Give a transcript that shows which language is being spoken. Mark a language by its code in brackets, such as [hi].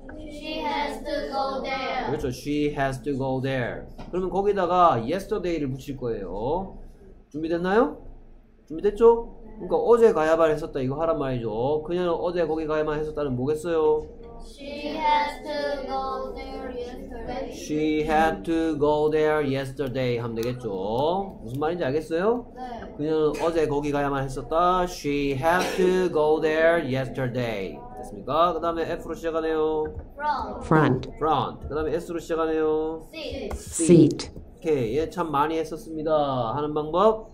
[en] She has to go there. [ko] 그렇죠. [en] She has to go there. [ko] 그러면 거기다가 yesterday를 붙일 거예요. 준비됐나요? 준비됐죠? 그러니까 어제 가야만 했었다 이거 하란 말이죠. 그녀는 어제 거기 가야만 했었다는 뭐겠어요? [en] She had to go there yesterday. She had to go there yesterday [ko] 하면 되겠죠. 무슨 말인지 알겠어요? 네. 그녀는 어제 거기 가야만 했었다. [en] She had to go there yesterday. [ko] 됐습니까? 그 다음에 F로 시작하네요. [en] Front. Front. [ko] 그 다음에 S로 시작하네요. [en] Seat. Seat. [ko] 오케이. 얘 참 많이 했었습니다. 하는 방법?